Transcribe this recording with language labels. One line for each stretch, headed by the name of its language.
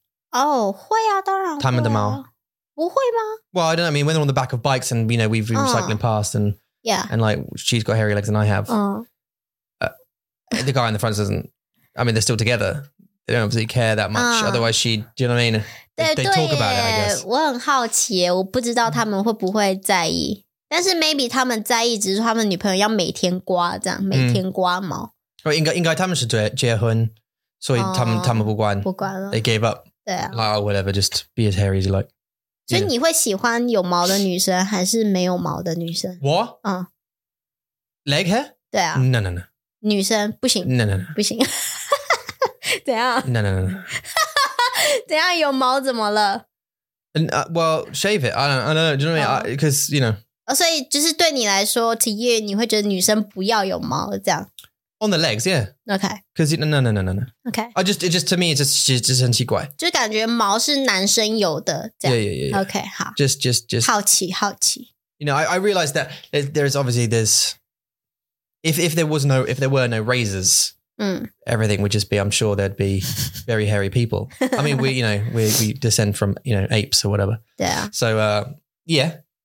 Chinese: 哦，会啊，当然会啊。他们的毛。不会吗？
English: Well, I don't know, I mean, we're on the back of bikes and, you know, we've been cycling past and, yeah. And like, she's got hairy legs and I have. The guy in the front doesn't, I mean, they're still together. They don't obviously care that much, otherwise she, do you know what I mean? They talk about it, I guess.
Chinese: 我很好奇耶，我不知道他们会不会在意。但是 maybe 他们在意，只是他们女朋友要每天刮这样，每天刮毛。应该他们是结婚，所以他们不管了。
English: They gave up.
Chinese: 对啊。
English: Like, oh, whatever, just be as hairy as you like.
Chinese: 所以你会喜欢有毛的女生还是没有毛的女生？
English: 我？Leg hair?
Chinese: 对啊。
English: No.
Chinese: 女生不行。
English: No.
Chinese: 不行。怎样？
English: No.
Chinese: 怎样有毛怎么了？
English: Well, shave it. I don't know. Do you know what I mean? Because, you know.
Chinese: 所以就是对你来说 ，
English: to you，
Chinese: 你会觉得女生不要有毛这样。
English: On the legs, yeah. Okay. Because no. Okay. It just to me, it's just
Chinese: 很奇怪。就感觉毛是男生有的这样。
English: Yeah. Okay. 好。 Just
Chinese: 好奇。
English: You know, I realized that there is obviously this. If there were no razors, everything would just be. I'm sure there'd be very hairy people. I mean, we descend from, you know, apes or whatever. Yeah. So yeah.